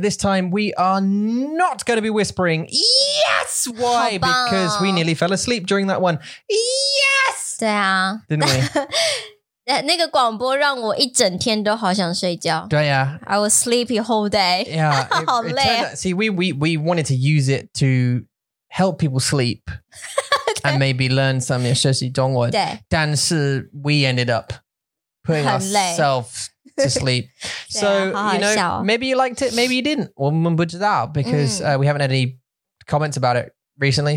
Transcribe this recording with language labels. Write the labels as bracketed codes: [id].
[en] This time we are not going to be whispering. Yes! Why? Because we nearly fell asleep during that one. Yes! [zh] 对啊。 [en] Didn't we? [zh] 那个广播让我一整天都好想睡觉。对啊。 [en] I was sleepy whole day. Yeah. [zh] 好累。 [en] See, we wanted to use it to help people sleep and maybe learn some [zh] 学习中文。对。但是 [en] we ended up putting ourselves... to sleep. So, you know, maybe you liked it, maybe you didn't. Because we haven't had any comments about it recently.